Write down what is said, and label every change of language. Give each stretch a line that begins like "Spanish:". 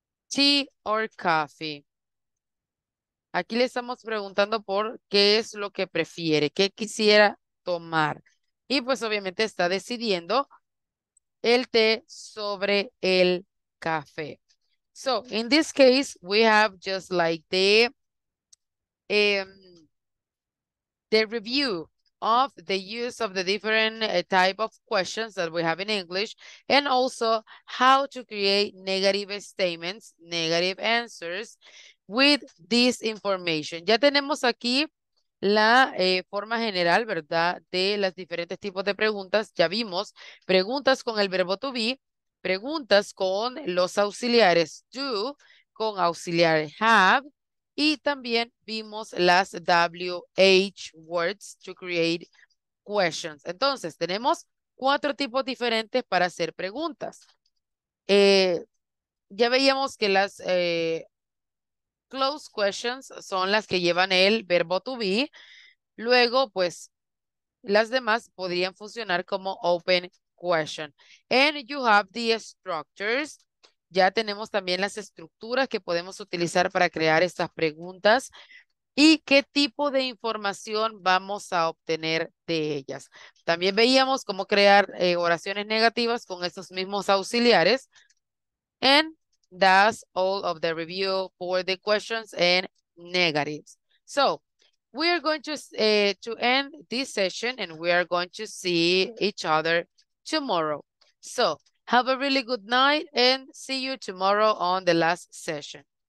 English: Tea or coffee.
Spanish: Aquí le estamos preguntando por qué es lo que prefiere, qué quisiera tomar. Y pues obviamente está decidiendo el té sobre el café.
English: So, in this case, we have just like the review of the use of the different type of questions that we have in English, and also how to create negative statements, negative answers with this information.
Spanish: Ya tenemos aquí la forma general, ¿verdad?, de los diferentes tipos de preguntas. Ya vimos preguntas con el verbo to be, preguntas con los auxiliares do, con auxiliar have, y también vimos las WH words
English: to create questions.
Spanish: Entonces, tenemos cuatro tipos diferentes para hacer preguntas. Ya veíamos que las closed questions son las que llevan el verbo to be. Luego, pues, las demás podrían funcionar como open question.
English: And you have the structures.
Spanish: Ya tenemos también las estructuras que podemos utilizar para crear estas preguntas y qué tipo de información vamos a obtener de ellas. También veíamos cómo crear oraciones negativas con estos mismos auxiliares.
English: And that's all of the review for the questions and negatives. So, we are going to end this session and we are going to see each other tomorrow. So, have a really good night and see you tomorrow on the last session.